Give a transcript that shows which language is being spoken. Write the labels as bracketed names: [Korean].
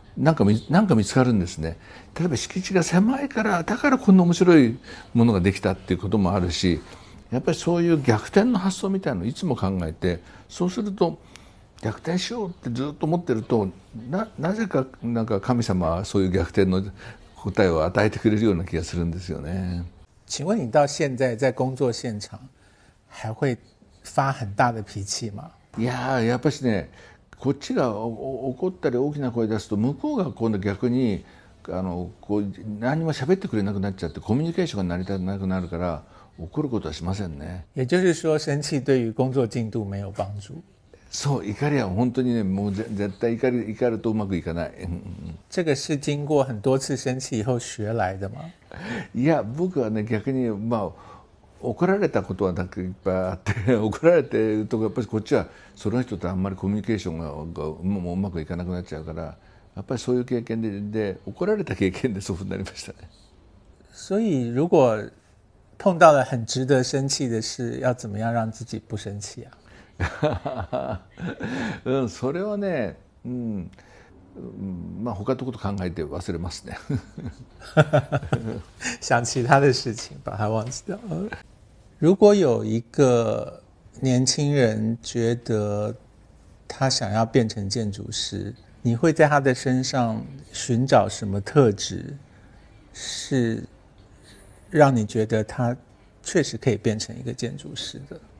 [Japanese] なんか見つかるんですね。例えば敷地が狭いからだからこんな面白いものができたっていうこともあるし、やっぱりそういう逆転の発想みたいなのをいつも考えて、そうすると逆転しようってずっと思ってると なぜか、 なんか神様はそういう逆転の答えを与えてくれるような気がするんですよね。 [Chinese] 请问你到现在在工作现场还会发很大的脾气吗？ [Japanese] やっぱしね、こっちが怒ったり大きな声出すと向こうが今度逆にこう何も喋ってくれなくなっちゃって、コミュニケーションが成り立たなくなるから怒ることはしませんね。 [Chinese] 也就是说生气对于工作进度没有帮助。 [Japanese] そう、怒りは本当にね、もう絶対怒るとうまくいかない。 [Chinese] 这个是经过很多次生气以后学来的吗？ [Japanese] いや、僕はね、逆に、まあ、怒られたことはなんかいっぱいあって、怒られてるとやっぱりこっちはその人とあんまりコミュニケーションがもううまくいかなくなっちゃうから、やっぱりそういう経験 で怒られた経験でそうなりましたね。 [Chinese] 所以如果碰到了很值得生气的事、要怎么样让自己不生气啊？ [Japanese] うん、それはね、うん、まあ他のこと考えて忘れますね。 [Chinese] 想其他的事情把它忘记掉。如果有一个年轻人觉得他想要变成建筑师，你会在他的身上寻找什么特质是让你觉得他确实可以变成一个建筑师的？